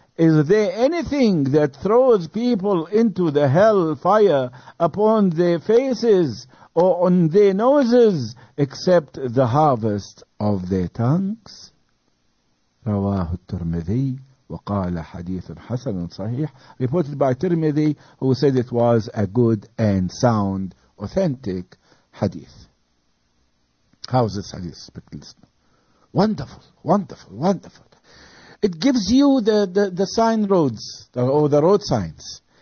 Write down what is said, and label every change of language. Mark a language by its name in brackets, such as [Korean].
[English] Is there anything that throws people into the hell fire upon their faces or on their noses except the harvest of their tongues? [Arabic] رواه الترمذي وقال حديث حسن صحيح. [English] Reported by Tirmidhi, who said it was a good and sound, authentic hadith. How's this hadith? Wonderful, wonderful, wonderful. It gives you the sign roads, or the road signs.